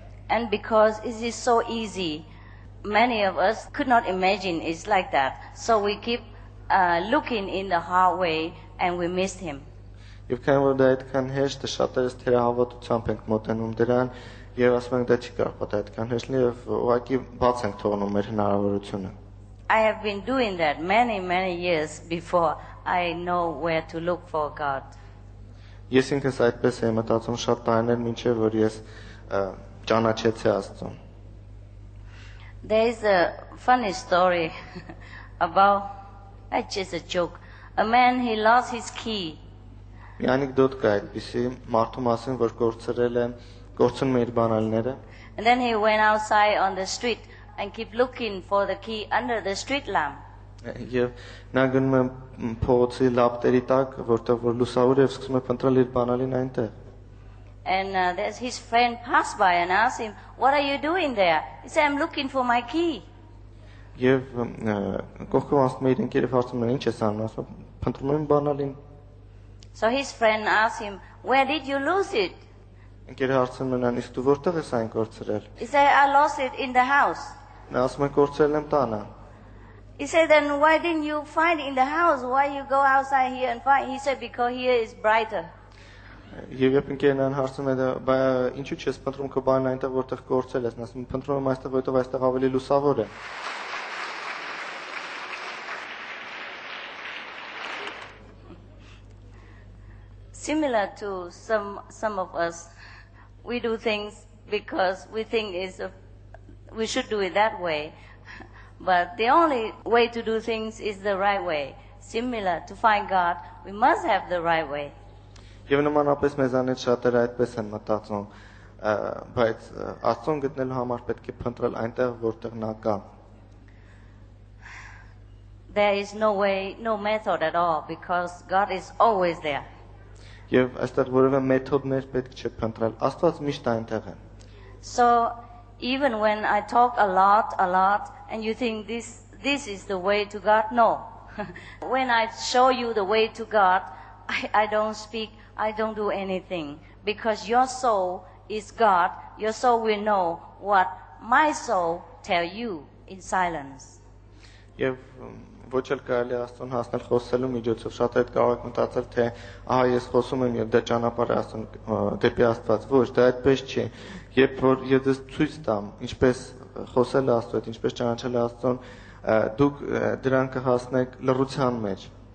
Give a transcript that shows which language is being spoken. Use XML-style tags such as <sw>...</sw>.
<en>And because it is so easy, many of us could not imagine it's like that. So we keep looking in the hard way and we miss him.</en> <hy>Եվ քան որ դա այդքան հեշտ է, շատերս թերահավատությամբ ենք մոտենում դրան եւ ասում ենք դա չի կարող պատահել այդքան հեշտ լինի եւ ուղղակի բաց ենք թողնում մեր հնարավորությունը.</hy> <en>I have been doing that many, many years before I know where to look for God.</en> <hy>Ես ինքս այդպես եմ մտածում շատ տարիներ մինչեւ որ ես ճանաչեցի Աստծուն.</hy> <en>There is a funny story about it's just a joke. A man, he lost his key.</en> <hy>Մի անեկդոտ կա այդպեսի, մարդու մասին, որ կորցրել է կորցնում է իր բանալիները.</hy> <en>And then he went outside on the street and keep looking for the key under the street lamp.</en> <hy>Եվ նա գնում է փողոցի լապտերի տակ, որտեղ որ լուսավոր է, եւ սկսում է փնտրել իր բանալին այնտեղ.</hy> <en>And there's his friend passed by and asked him, "What are you doing there?" He said, "I'm looking for my key."</en> <hy>Եվ կողքով ասում է իր ընկերը, հարցում է, "Ինչ ես անում?" ասում է, "Փնտրում եմ բանալին."</hy> <en>So his friend asked him, "Where did you lose it?"</en> <hy>Ընկերը հարցում է նրան, "Իսկ դու որտեղ ես այն կորցրել?"</hy> <en>He said, "I lost it in the house."</en> <hy>Նա ասում է, "Կորցրել եմ տանը."</hy> <en>He said, "Then why didn't you find it in the house? Why you go outside here and find?" He said, "Because here is brighter."</en> <hy>Եվ եթե ինքնան հարցում է, բայց ինչու՞ չես փնտրում քո բանը այնտեղ, որտեղ կորցել ես, ասում եմ, փնտրում եմ այստեղ, որտեղ այստեղ ավելի լուսավոր է։</hy> <en>Similar to some of us, we do things because we think is we should do it that way, but the only way to do things is the right way. Similar to find God, we must have the right way.</en> <hy>Եվ նմանապես մեզանից շատերը այդպես են մտածում, բայց Աստծուն գտնելու համար պետք է փնտրել այնտեղ, որտեղ նա կա։</hy> <en>There is no way, no method at all because God is always there.</en> <hy>Եվ այստեղ որևէ մեթոդներ պետք չէ փնտրել, Աստված միշտ այնտեղ է։</hy> <en>So even when I talk a lot and you think this is the way to God, no. When I show you the way to God, I don't speak, I don't do anything because your soul is God. Your soul will know what my soul tell you in silence.</en> <hy>Եվ ոչ էլ կարելի Աստծուն հասնել խոսելու միջոցով, շատերը կարող են մտածել, թե ահա ես խոսում եմ եւ դա ճանապարհ է Աստծուն դեպի Աստված, ոչ, դա այդպես չէ։ Երբ որ ես ձեզ ցույց տամ, ինչպես խոսել Աստծուն, ինչպես ճանաչել Աստծուն, դուք դրան կհասնեք լրության մեջ։</hy>